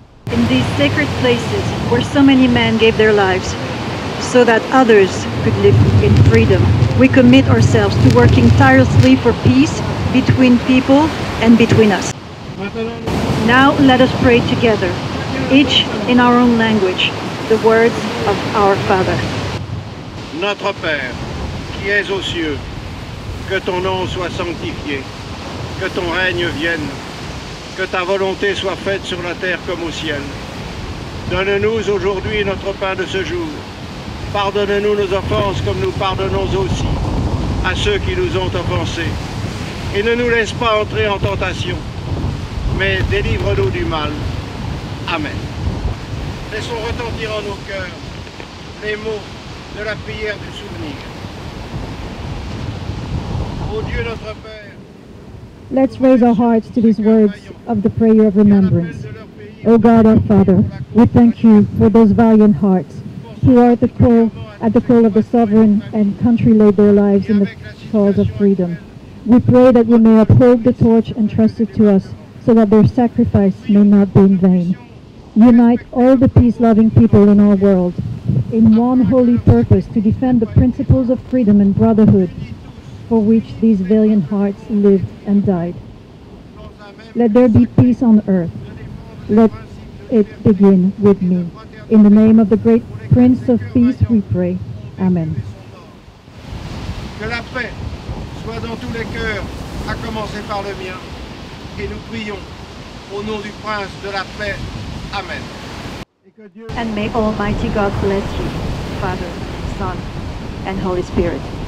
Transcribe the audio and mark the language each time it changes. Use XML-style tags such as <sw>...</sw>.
<en>In these sacred places where so many men gave their lives so that others could live in freedom, we commit ourselves to working tirelessly for peace between people and between us. Now let us pray together, each in our own language, the words of our Father.</en> <fr>Notre Père, qui es aux cieux, que ton nom soit sanctifié. Que ton règne vienne, que ta volonté soit faite sur la terre comme au ciel. Donne-nous aujourd'hui notre pain de ce jour. Pardonne-nous nos offenses comme nous pardonnons aussi à ceux qui nous ont offensés. Et ne nous laisse pas entrer en tentation, mais délivre-nous du mal. Amen. Laissons retentir en nos cœurs les mots de la prière du souvenir. Ô Dieu notre Père,</fr> <en>let's raise our hearts to these words of the prayer of remembrance. O God, our Father, we thank you for those valiant hearts who are at the call of the sovereign and country laid their lives in the cause of freedom. We pray that you may uphold the torch entrusted to us so that their sacrifice may not be in vain. Unite all the peace-loving people in our world in one holy purpose to defend the principles of freedom and brotherhood for which these valiant hearts lived and died. Let there be peace on earth. Let it begin with me. In the name of the great Prince of Peace, we pray. Amen.</en> <fr>Que la paix soit dans tous les cœurs, à commencer par le mien. Et nous prions au nom du Prince de la paix. Amen.</fr> <en>And may Almighty God bless you, Father, Son, and Holy Spirit.</en>